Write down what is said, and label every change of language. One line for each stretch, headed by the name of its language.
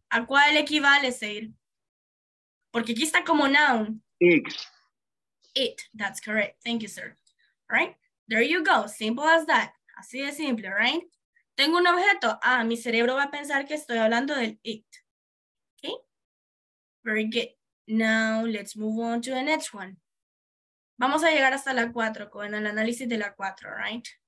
Spanish: ¿A cuál equivale, Said? Porque aquí está como noun.
English: It. It. That's correct. Thank you, sir. All right. There you go. Simple as that.
Spanish: Así de simple, right? Tengo un objeto. Ah, mi cerebro va a pensar que estoy hablando del it.
English: Okay. Very good. Now, let's move on to the next one.
Spanish: Vamos a llegar hasta la 4 con el análisis de la 4, right?